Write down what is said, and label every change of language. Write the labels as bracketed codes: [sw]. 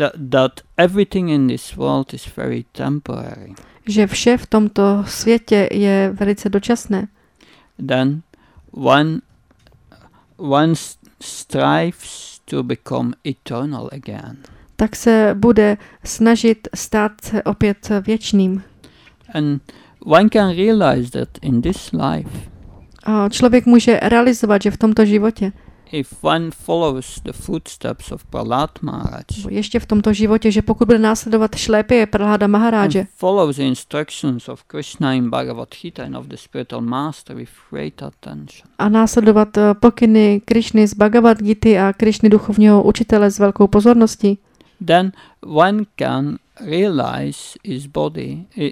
[en] That everything in this world is very temporary. [cs] Že vše v tomto světě je velice dočasné. [en] Then one strives to become eternal again. [cs] Tak se bude snažit stát se opět věčným. [en] And one can realize that in this life. [cs] A člověk může realizovat, že v tomto životě. [en] If one follows the footsteps of Prahlad Maharaj. [cs] Ještě v tomto životě, že pokud bude následovat šlépy Prahlada Maharaje. [en] Follows the instructions of Krishna in Bhagavad Gita and of the spiritual master with great attention. [cs] A následovat pokyny Krishny z Bhagavad Gity a Krishny duchovního učitele s velkou pozorností. [en] Then one can realize his body.